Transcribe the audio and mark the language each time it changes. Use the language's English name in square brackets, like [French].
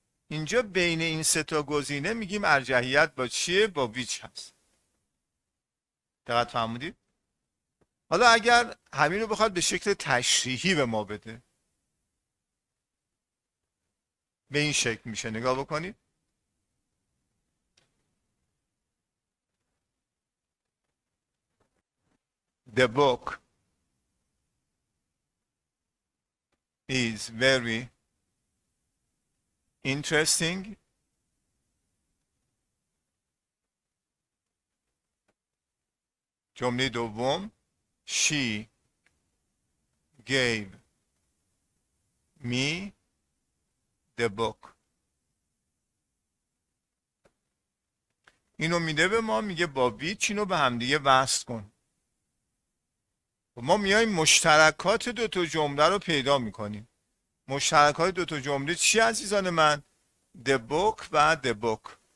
[Persian] اینجا بین این سه تا گزینه میگیم ارجحیت با چیه؟ با which هست. دقت فهمیدید؟ حالا اگر همین رو بخواد به شکل تشریحی به ما بده، به این شکل میشه. نگاه بکنید، [English] The book is very interesting [Persian] جمله دوم، [English] She gave me the book. [Persian] اینو میده به ما، میگه با ویچ اینو به همدیگه وصل کن. ما میاییم مشترکات دوتا جمله رو پیدا میکنیم. مشترکات دوتا جمله چی عزیزان من؟ The book و the book.